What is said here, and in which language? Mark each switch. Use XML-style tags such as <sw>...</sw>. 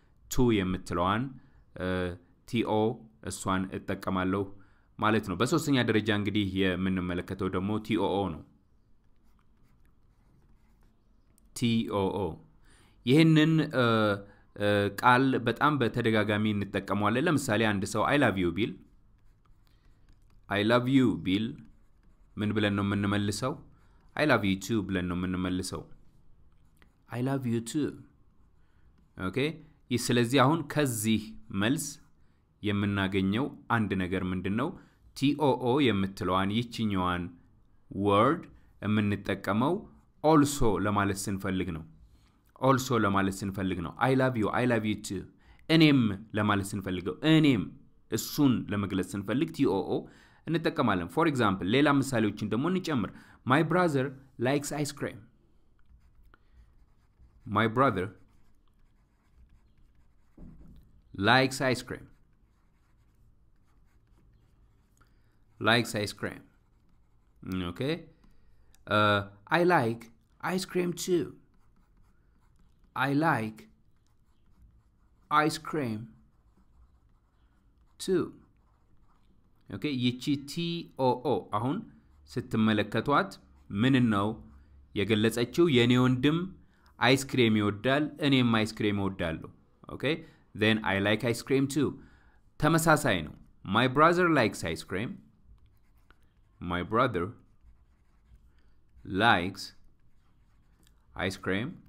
<am>ቱ የምትለዋን ቲኦ እሷን እጠቀማለሁ ማለት ነው። በሶስተኛ ደረጃ እንግዲህ የምንመለከተው ደግሞ ቲኦኦ ነው። ቲኦኦ ይሄንን ቃል በጣም በተደጋጋሚ እንጠቀማለን። ለምሳሌ አንድ ሰው</am> <en>አይ ላቭ ዩ</en> <am>ቢል አይ ላቭ ዩ ቢል ምን ብለን ነው የምንመልሰው?</am> <en>አይ ላቭ ዩ ቱ</en> <am>ብለን ነው የምንመልሰው።</am> <en>አይ ላቭ ዩ ቱ ኦኬ።</en> <am>ስለዚህ አሁን ከዚህ መልስ የምናገኘው አንድ ነገር ምንድነው?</am> <en>TOO</en> <am>የምትለዋን ይቺኛዋን</am> <en>word</en> <am>የምንጠቀመው</am> <en>also</en> <am>ለማለት ስንፈልግ ነው።</am> <en>also ለማለት ስንፈልግ ነው። I love you, I love you too.</en> <am>እኔም ለማለት ስንፈልገው እኔም እሱን ለመግለጽ ስንፈልግ TOO እንጠቀማለን።</am> <en>For example</en> <am>ሌላ ምሳሌዎችን ደግሞ እንጨምር።</am> <en>My brother likes ice cream. My brother likes ice cream. Likes ice cream. Okay. I like ice cream too. I like ice cream too. Okay.</en> <am>ይቺ TOO አሁን ስትመለከቷት ምን ነው የገለጸችው? የኔ ወንድም አይስ ክሬም ይወዳል፣ እኔም አይስ ክሬም እወዳለሁ። Okay.</am> <en>Then I like ice cream too.</en> <am>ተመሳሳይ ነው።</am> <en>My brother likes ice cream. My brother likes ice cream.</en>